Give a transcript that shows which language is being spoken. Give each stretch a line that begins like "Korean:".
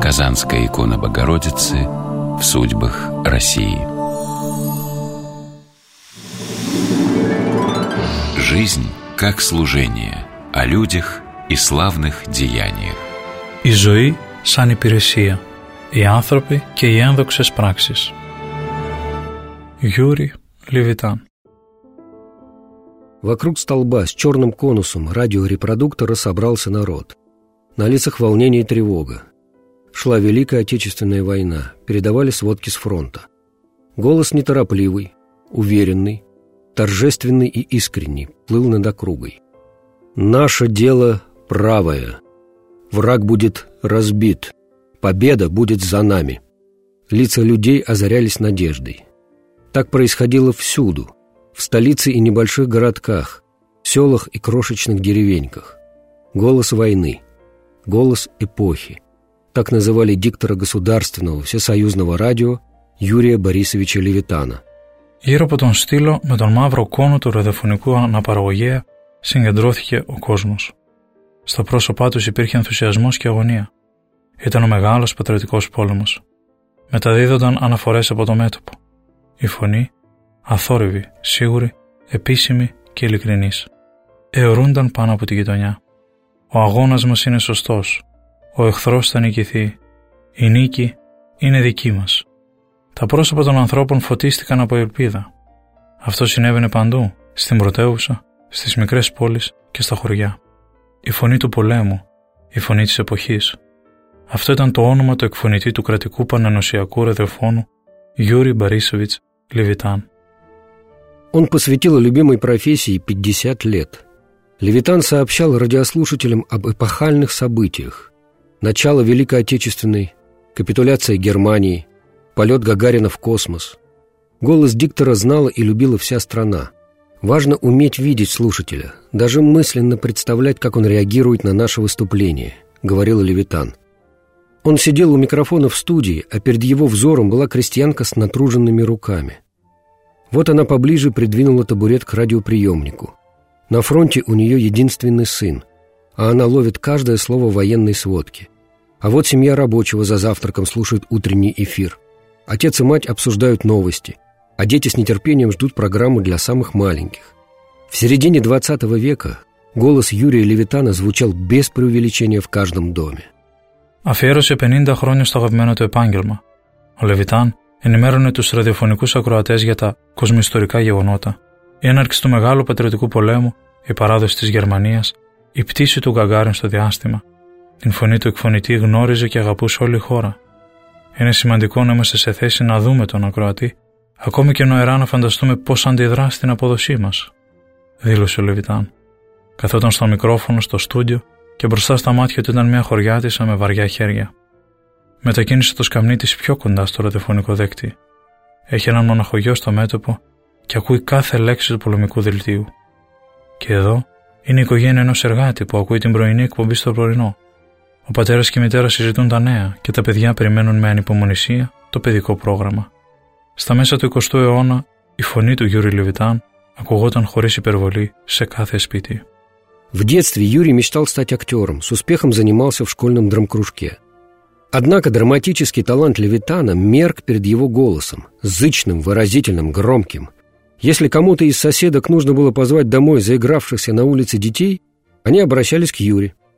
Russian: Казанская икона Богородицы в судьбах России. Жизнь как служение. О людях и славных деяниях.
Greek: Η ζωή σαν υπηρεσία, οι άνθρωποι και οι ένδοξες πράξεις.
Russian: Юрий Левитан. Вокруг столба с черным конусом радиорепродуктора собрался народ. На лицах волнение и тревога. Шла Великая Отечественная война, передавали сводки с фронта. Голос неторопливый, уверенный, торжественный и искренний, плыл над округой. «Наше дело правое. Враг будет разбит. Победа будет за нами». Лица людей озарялись надеждой. Так происходило всюду, в столице и небольших городках, в селах и крошечных деревеньках. Голос войны, голос эпохи. Так называли диктора государственного всесоюзного радио Юрия Борисовича Левитана.
Greek: Γύρω από τον στήλο με τον μαύρο κόνο του ραδιοφωνικού αναπαραγωγέα συγκεντρώθηκε ο κόσμος. Στο πρόσωπά τους υπήρχε ενθουσιασμός και αγωνία. Ήταν ο μεγάλος πατριωτικός πόλεμος. Μεταδίδονταν αναφορές από το μέτωπο. Η φωνή, αθόρυβη, σίγουρη, επίσημη και ειλικρινής, αιωρούνταν πάνω από τη γειτονιά. Ο αγώνας μας είναι σωστός. Ο εχθρός θα νικηθεί. Η νίκη είναι δική μας. Τα πρόσωπα των ανθρώπων φωτίστηκαν από ελπίδα. Αυτό συνέβαινε παντού, στην πρωτεύουσα, στις μικρές πόλεις και στα χωριά. Η φωνή του πολέμου, η φωνή της εποχής. Αυτό ήταν το όνομα του εκφωνητή του κρατικού πανενωσιακού ραδιοφώνου, Γιούρι Μπαρίσεβιτς Λεβιτάν.
Russian: Он посвятил любимой профессии 50 лет. Левитан сообщал радиослушателям об эпохальных событиях. Начало Великой Отечественной, капитуляция Германии, полет Гагарина в космос. Голос диктора знала и любила вся страна. Важно уметь видеть слушателя, даже мысленно представлять, как он реагирует на наше выступление, говорил Левитан. Он сидел у микрофона в студии, а перед его взором была крестьянка с натруженными руками. Вот она поближе придвинула табурет к радиоприемнику. На фронте у нее единственный сын, а она ловит каждое слово военной сводки. А вот семья рабочего за завтраком слушает утренний эфир. Отец и мать обсуждают новости, а дети с нетерпением ждут программу для самых маленьких. В середине 20 века голос Юрия Левитана звучал без преувеличения в каждом доме.
Greek: Αφιέρωσε 50 χρόνια στο αγαπημένο του επάγγελμα. Ο Λεβιτάν ενημέρωνε τους ραδιοφωνικούς ακροατές για τα κοσμοϊστορικά γεγονότα, η έναρξη του Μεγάλου Πατριωτικού Πολέμου, η παράδοση της Γερμανίας, η πτήση του Γκαγκάριν στο διάστημα. Την φωνή του εκφωνητή γνώριζε και αγαπούσε όλη η χώρα. Είναι σημαντικό να είμαστε σε θέση να δούμε τον ακροατή, ακόμη και νοερά να φανταστούμε πώς αντιδρά στην απόδοσή μας, δήλωσε ο Λεβιτάν. Καθόταν στο μικρόφωνο, στο στούντιο, και μπροστά στα μάτια του ήταν μια χωριάτισσα με βαριά χέρια. Μετακίνησε το σκαμνί της πιο κοντά στο ραδιοφωνικό δέκτη. Έχει έναν μοναχογιό στο μέτωπο και ακούει κάθε λέξη του πολεμικού δελτίου. Και εδώ είναι η οικογένεια ενός εργάτη που ακούει την πρωινή εκπομπή στο πρωινό. Ο πατέρας και η μητέρα συζητούν τα νέα και τα παιδιά περιμένουν με ανυπομονησία το παιδικό πρόγραμμα. Στα μέσα του 20ου αιώνα η φωνή του Γιούρι Λεβιτάν ακουγόταν χωρίς υπερβολή σε κάθε σπίτι.
Russian: В детстве Юрий мечтал стать актером, с успехом занимался в школьном драмкружке. Однако драматический талант Левитана мерк перед его голосом, зычным, выразительным, громким. Если кому-то из соседок нужно было позвать домой заигравшихся на улице детей, они обращались к Юре.